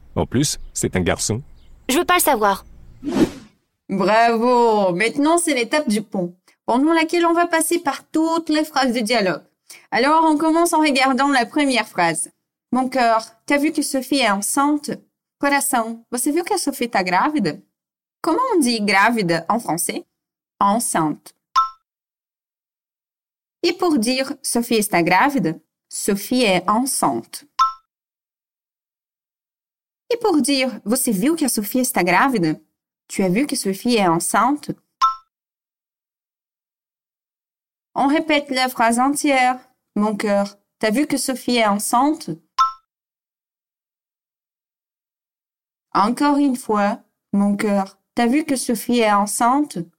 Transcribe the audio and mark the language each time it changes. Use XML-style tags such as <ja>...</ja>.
<fr>En plus, c'est un garçon. Je veux pas le savoir. Bravo! Maintenant, c'est l'étape du pont, pendant laquelle on va passer par toutes les phrases du dialogue. Alors, on commence en regardant la première phrase. Mon cœur, t'as vu que Sophie est enceinte?</fr> <pt>Coração, você viu que Sophie está grávida?</pt> <fr>Comment on dit grávida en français? Enceinte. Et pour dire</fr> <pt>Sophie está grávida,</pt> <fr>Sophie est enceinte. Et pour dire</fr> <pt>você viu que Sophie está grávida?</pt> <fr>Tu as vu que Sophie est enceinte? On répète la phrase entière. Mon cœur, t'as vu que Sophie est enceinte? Encore une fois, mon cœur, t'as vu que Sophie est enceinte?</fr>